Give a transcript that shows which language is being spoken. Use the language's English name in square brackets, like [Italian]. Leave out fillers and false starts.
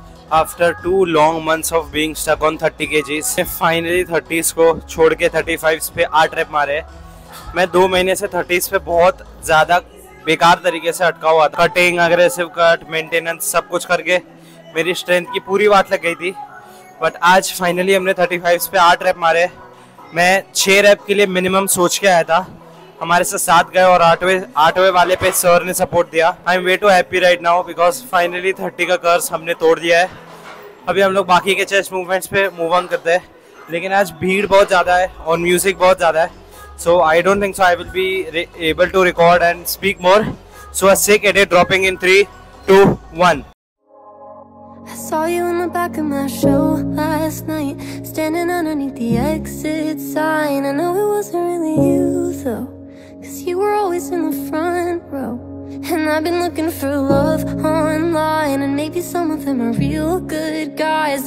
[English] After 2 long months of being stuck on 30 kgs, finally [Hindi] 30s को छोड़ के 35s पे 8 रेप मारे। मैं 2 महीने से 30s पे बहुत ज़्यादा बेकार तरीके से अटका हुआ था। कटिंग, अग्रेसिव कट, मेंटेनेंस सब कुछ करके मेरी स्ट्रेंथ की पूरी बात लग गई थी, बट आज फाइनली हमने 35s पे 8 रेप मारे। मैं 6 रेप के लिए मिनिमम सोच के आया था, हमारे से 7 गए और 8वें वाले पे सर ने सपोर्ट दिया। [English] I am way too happy right now because finally [Hindi] 30 का कर्स हमने तोड़ दिया है। अभी हम लोग बाकी के चेस्ट मूवमेंट्स पे मूव ऑन करते हैं, लेकिन आज भीड़ बहुत ज़्यादा है और म्यूजिक बहुत ज़्यादा है, [English] So I don't think so I will be able to record and speak more. So a sick eddy dropping in 3, 2, 1। I saw you in the back of my show last night, standing underneath the exit sign. I know it wasn't really you though, 'cause you were always in the front row. And I've been looking for love online, and maybe some of them are real good guys.